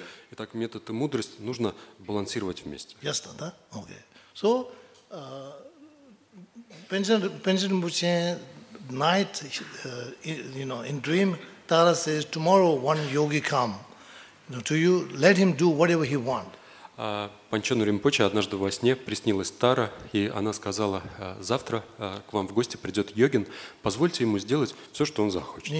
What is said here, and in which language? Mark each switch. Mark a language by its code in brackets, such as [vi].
[ru] Итак, метод и мудрость нужно балансировать вместе. Ясно, да? Окей. [en] So, Пенчен Рамбуче, night, you know, in dream, Тара says, tomorrow one yogi come to you, let him do whatever he want. [ru] Панчену Ринпоче однажды во сне приснилась Тара, и она сказала, завтра к вам в гости придет йогин, позвольте ему сделать все, что он захочет.